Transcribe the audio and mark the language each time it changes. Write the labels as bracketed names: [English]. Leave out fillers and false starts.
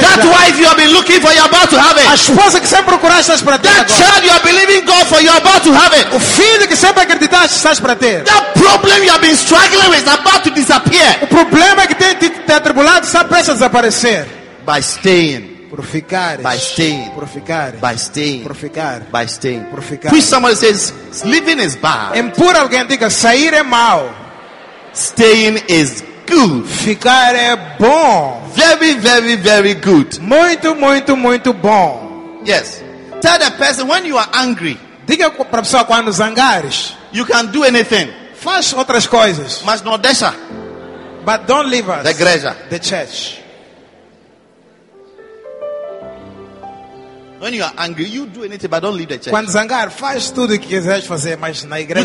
[English] That wife you have been looking for, you are about to have it. [Portuguese] A esposa que sempre procuraste, estás para ter. [English] That child you are believing God for, you are about to have it. [Portuguese] O filho que sempre acreditaste, estás para ter. [English] That problem you have been struggling with is about to disappear. [Portuguese] O problema que tem te atribulado está prestes a desaparecer. [English] By staying. [Portuguese] Por ficares, [English] by staying, [Portuguese] por ficar, [English] by staying, [Portuguese] por ficar, [English] by staying, [Portuguese] por ficar. [English] Preach, somebody says living is bad. [Portuguese] Impor alguém diga sair é mal. [English] Staying is good. [Portuguese] Ficar é bom. [English] Very, very, very good. [Portuguese] Muito, muito, muito bom. [English] Yes. Tell the person when you are angry. [Portuguese] Diga para a pessoa quando zangares. [English] You can do anything. [Portuguese] Faz outras coisas. Mas não deixa. [English] But don't leave us. The igreja. The church. When you are angry, you do anything, but don't leave the church. [Portuguese] Quando zangar, faz tudo o que quiseres fazer, mas na igreja.